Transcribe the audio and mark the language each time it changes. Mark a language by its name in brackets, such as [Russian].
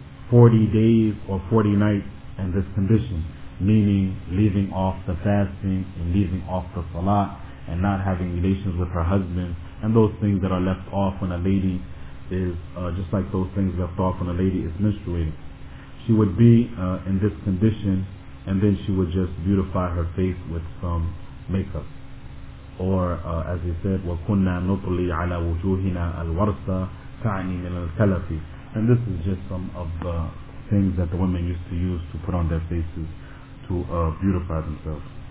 [English] 40 days or 40 nights in this condition, meaning leaving off the fasting and leaving off the salat and not having relations with her husband and those things that are left off when a lady is just like those things left off when a lady is menstruating. She would be in this condition, and then she would just beautify her face with some makeup. Or as he said, [Arabic] وَكُنَّا نُطْلِي عَلَى وُجُوهِنَا الْوَرْسَ تَعْنِي مِنَ الْكَلَفِ. [English] And this is just some of the things that the women used to use to put on their faces to beautify themselves.